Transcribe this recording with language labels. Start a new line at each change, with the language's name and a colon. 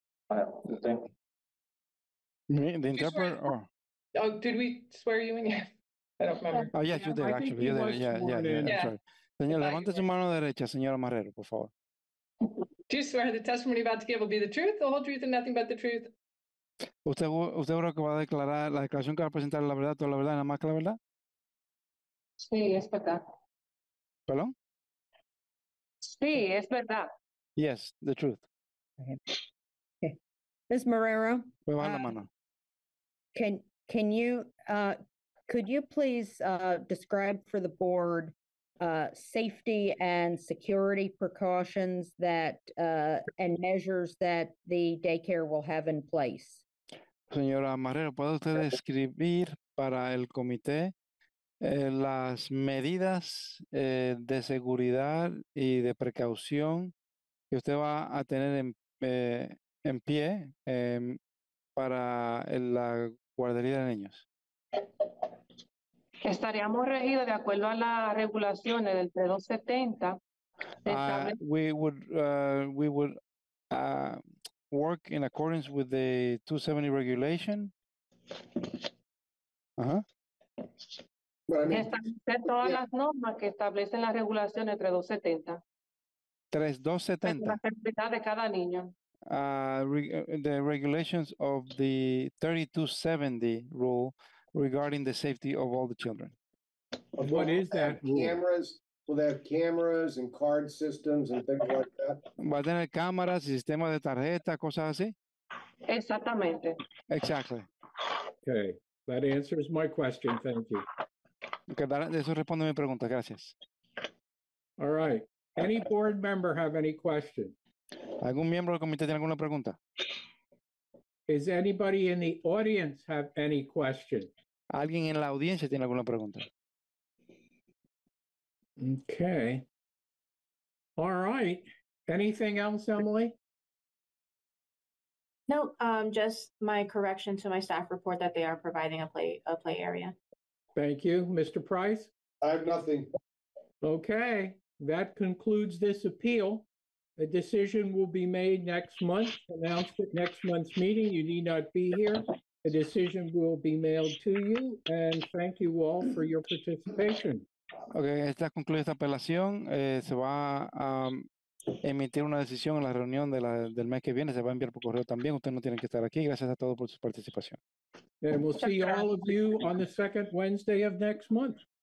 English: The interpreter? Or... Oh, did we swear you in yet? I don't remember. Oh, yes, you did, actually. You did. Yeah.
Spanish: Señora, levante su mano derecha, señora Marrero, por favor.
English: Do you swear the testimony about to give will be the truth, the whole truth, and nothing but the truth?
Spanish: ¿Usted ahora que va a declarar la declaración que va a presentar la verdad, toda la verdad, nada más que la verdad? Sí, es verdad. ¿Perdón? Sí, es verdad.
English: Yes, the truth. Okay. Ms. Marrero.
Spanish: Me baja la mano.
English: Can you, could you please describe for the board safety and security precautions that and measures that the daycare will have in place?
Spanish: Señora Marrero, ¿puede usted describir para el comité las medidas de seguridad y de precaución que usted va a tener en pie para la guardería de niños? Estaríamos regidos de acuerdo a las regulaciones del 370.
English: We would work in accordance with the 270 regulation.
Spanish: Establecer todas las normas que establecen las regulaciones del 3270. 3270. La seguridad de cada niño.
English: The regulations of the 3270 rule regarding the safety of all the children. What is that? Cameras. Will they have cameras and card systems and things like that?
Spanish: Va a tener cámaras y sistema de tarjeta, cosas así. Exactamente.
English: Exactly. Okay. That answers my question. Thank you.
Spanish: Okay, eso responde mi pregunta. Gracias.
English: All right. Any board member have any question?
Spanish: ¿Algún miembro del comité tiene alguna pregunta?
English: Is anybody in the audience have any question?
Spanish: ¿Alguien en la audiencia tiene alguna pregunta?
English: Okay. All right. Anything else, Emily? No, just my correction to my staff report that they are providing a play area. Thank you. Mr. Price? I have nothing. Okay. That concludes this appeal. A decision will be made next month, announced at next month's meeting. You need not be here. A decision will be mailed to you, and thank you all for your participation.
Spanish: Okay, esta concluye esta apelación. Se va a emitir una decisión en la reunión del mes que viene. Se va a enviar por correo también. Usted no tiene que estar aquí. Gracias a todos por su participación.
English: And we'll see all of you on the second Wednesday of next month.